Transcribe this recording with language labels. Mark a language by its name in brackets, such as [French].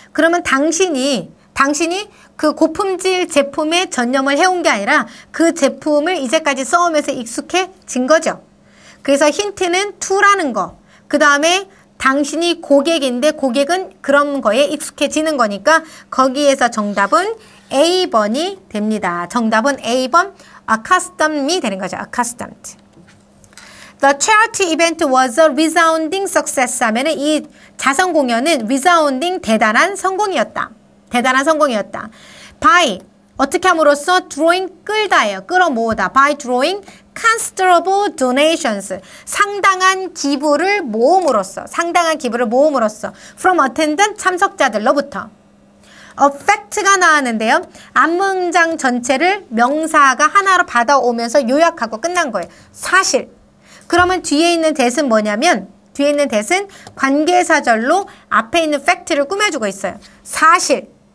[Korean] 그러면 당신이 그 고품질 제품에 전념을 해온 게 아니라 그 제품을 이제까지 써오면서 익숙해진 거죠. 그래서 힌트는 2라는 거. 그다음에 당신이 고객인데 고객은 그런 거에 익숙해지는 거니까 거기에서 정답은 A번이 됩니다. 정답은 A번 accustomed이 되는 거죠. accustomed. [English] The charity event was a resounding success. [Korean] 하면은 이 자선 공연은 resounding 대단한 성공이었다. 대단한 성공이었다. By 어떻게 함으로써 drawing 끌다예요. 끌어모으다. [English] By drawing considerable donations. [Korean] 상당한 기부를 모음으로써. 상당한 기부를 모음으로써. [English] From attendant [Korean] 참석자들로부터. Affect가 나왔는데요. 안문장 전체를 명사가 하나로 받아오면서 요약하고 끝난 거예요. 사실. 그러면 뒤에 있는 that은 뭐냐면 뒤에 있는 that은 관계사절로 앞에 있는 fact를 꾸며주고 있어요. 사실.